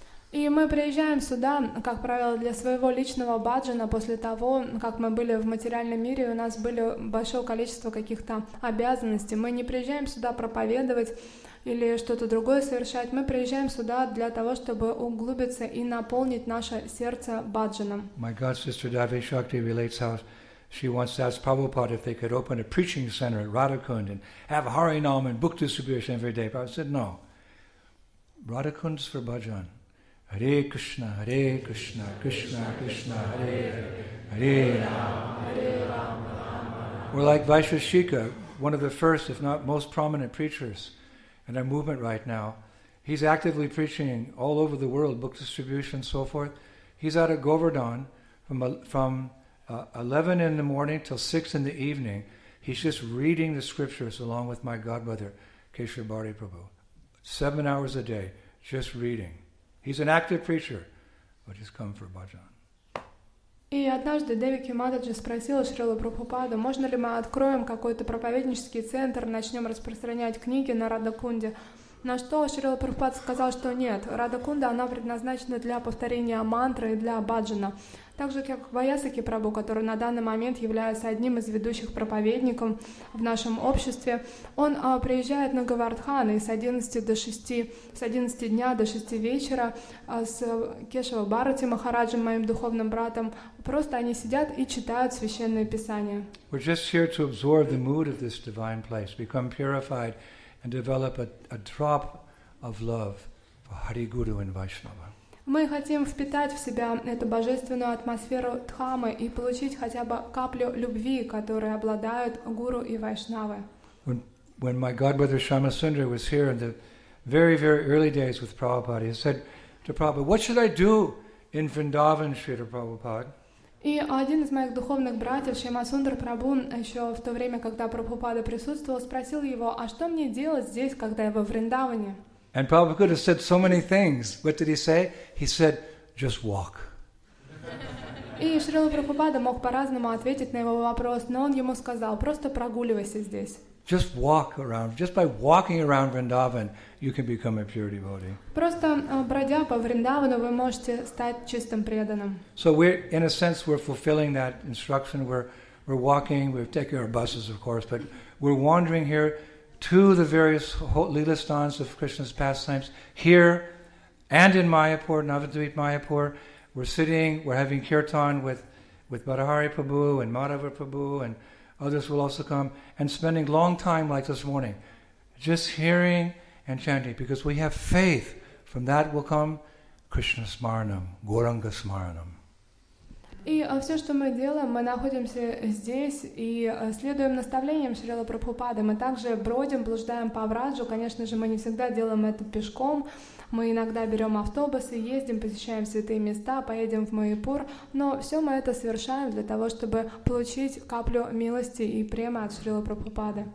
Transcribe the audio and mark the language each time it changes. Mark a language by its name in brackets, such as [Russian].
[Russian] И мы приезжаем сюда, как правило, для своего личного баджана после того, как мы были в материальном мире, у нас было большое количество каких-то обязанностей. Мы не приезжаем сюда проповедовать или что-то другое совершать. Мы приезжаем сюда для того, чтобы углубиться и наполнить наше сердце баджаном. [English] My god sister Davi Shakti relates how she once asked Prabhupada if they could open a preaching center at Radhakund and have Harinam and book distribution every day. Prabhupada said, no. Radhakund's for bhajan. Hare Krishna, Hare Krishna, Krishna Krishna, Hare Hare, Hare Rama, Hare Rama. We're like Vaisheshika, one of the first, if not most prominent preachers in our movement right now. He's actively preaching all over the world, book distribution, so forth. He's out of Govardhan from 11 in the morning till 6 in the evening, he's just reading the scriptures along with my godbrother, Keshav Bhari Prabhu. 7 hours a day, just reading. He's an active preacher, but he's come for bhajan. [Russian] И однажды Девики Мададжи спросила Шрилу Прабхупаду, можно ли мы откроем какой-то проповеднический центр, начнем распространять книги на Радакунде. На что Шрила Прабхупад сказал, что нет, Радакунда, она предназначена для повторения мантры и для бхаджана. Так же, как Ваясаки Прабху, который на данный момент является одним из ведущих проповедников в нашем обществе, он приезжает на Говардхан и с 11 дня до 6 вечера с Кешава Бхарати Махараджем, моим духовным братом, просто они сидят и читают Священное Писание. [English] We're just here to absorb the mood of this divine place, become purified and develop a drop of love for Hari Guru and Vaishnava. [Russian] Мы хотим впитать в себя эту божественную атмосферу Дхаммы и получить хотя бы каплю любви, которой обладают гуру и вайшнавы. [English] When my godbrother Shyamasundara was here in the very, very early days with Prabhupada, he said to Prabhupada, "What should I do in Vrindavan, Srila Prabhupada?" [Russian] И один из моих духовных братьев, Шьямасундар Прабху, еще в то время, когда Прабхупада присутствовал, спросил его, а что мне делать здесь, когда я во Вриндаване? [English] And Prabhupada could have said so many things. What did he say? He said, just walk. [Russian] И Шрила Прабхупада мог по-разному ответить на его вопрос, но он ему сказал, просто прогуливайся здесь. [English] Just walk around. Just by walking around Vrindavan, you can become a pure devotee. [Russian] Просто бродя по Вриндавану, вы можете стать чистым преданным. [English] So we're, in a sense, we're fulfilling that instruction. We're walking. We're taking our buses, of course, but we're wandering here to the various lila sthans of Krishna's pastimes here, and in Mayapur, Navadvip Mayapur. We're sitting. We're having kirtan with Badahari Prabhu and Madhava Prabhu and. Others will also come and spending long time like this morning, just hearing and chanting, because we have faith. From that will come Krishna Smaranam, Goranga Smaranam. [Russian] И все, что мы делаем, мы находимся здесь и следуем наставлениям Шрилы Прабхупады. Мы также бродим, блуждаем по Враджу. Конечно же, мы не всегда делаем это пешком. Мы иногда берем автобусы, ездим, посещаем святые места, поедем в Майпур. Но все мы это совершаем для того, чтобы получить каплю милости и премы от Шрилы Прабхупады.